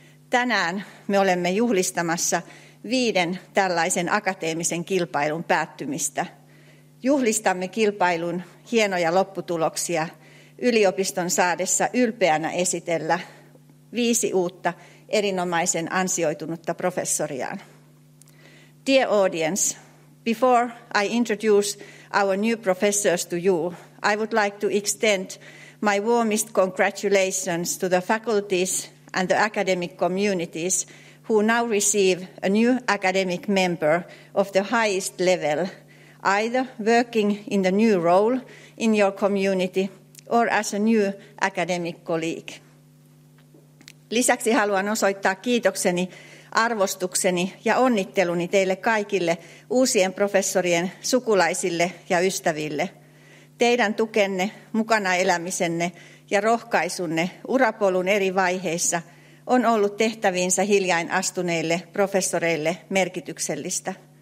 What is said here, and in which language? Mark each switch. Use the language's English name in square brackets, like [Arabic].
[Finnish] Tänään me olemme juhlistamassa viiden tällaisen akateemisen kilpailun päättymistä. Juhlistamme kilpailun hienoja lopputuloksia yliopiston saadessa ylpeänä esitellä viisi uutta erinomaisen ansioitunutta professoriaan. [English] Dear audience, before I introduce our new professors to you, I would like to extend my warmest congratulations to the faculties and the academic communities who now receive a new academic member of the highest level, either working in the new role in your community or as a new academic colleague. [Finnish] Lisäksi haluan osoittaa kiitokseni, arvostukseni ja onnitteluni teille kaikille uusien professorien sukulaisille ja ystäville. Teidän tukenne, mukana elämisenne ja rohkaisunne urapolun eri vaiheissa on ollut tehtäviinsä hiljain astuneille professoreille merkityksellistä.